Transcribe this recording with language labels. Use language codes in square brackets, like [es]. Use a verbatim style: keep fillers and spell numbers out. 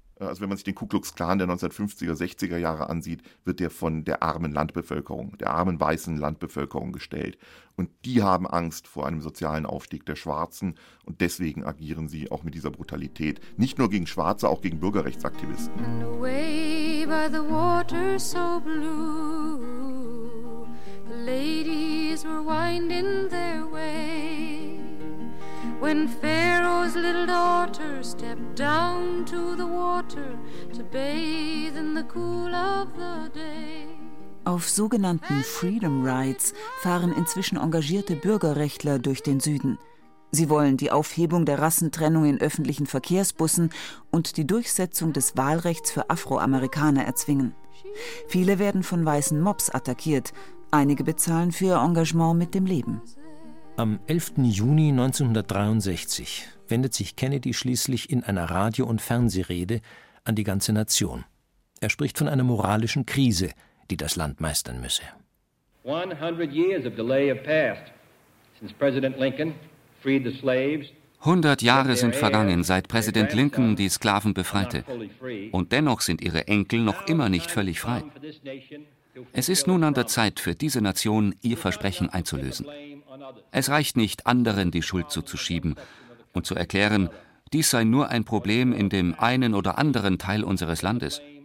[de] Also wenn man sich den Ku Klux Klan der neunzehnhundertfünfziger, sechziger Jahre ansieht, wird der von der armen Landbevölkerung, der armen weißen Landbevölkerung gestellt. Und die haben Angst vor einem sozialen Aufstieg der Schwarzen und deswegen agieren sie auch mit dieser Brutalität. Nicht nur gegen Schwarze, auch gegen Bürgerrechtsaktivisten. [en] And away by the water so blue, the lady were winding their way when Pharaoh's little daughter stepped down to the water to bathe in the cool of the day. [de] Auf sogenannten Freedom Rides fahren inzwischen engagierte Bürgerrechtler durch den Süden. Sie wollen die Aufhebung der Rassentrennung in öffentlichen Verkehrsbussen und die Durchsetzung des Wahlrechts für Afroamerikaner erzwingen. Viele werden von weißen Mobs attackiert, einige bezahlen für ihr Engagement mit dem Leben. Am elften Juni neunzehnhundertdreiundsechzig wendet sich Kennedy schließlich in einer Radio- und Fernsehrede an die ganze Nation. Er spricht von einer moralischen Krise, die das Land meistern müsse. [en] hundert years of delay have passed since President Lincoln freed the slaves. [de] Hundert Jahre sind vergangen, seit Präsident Lincoln die Sklaven befreite. Und dennoch sind ihre Enkel noch immer nicht völlig frei. Es ist nun an der Zeit für diese Nation, ihr Versprechen einzulösen. Es reicht nicht, anderen die Schuld zuzuschieben und zu erklären, dies sei nur ein Problem in dem einen oder anderen Teil unseres Landes.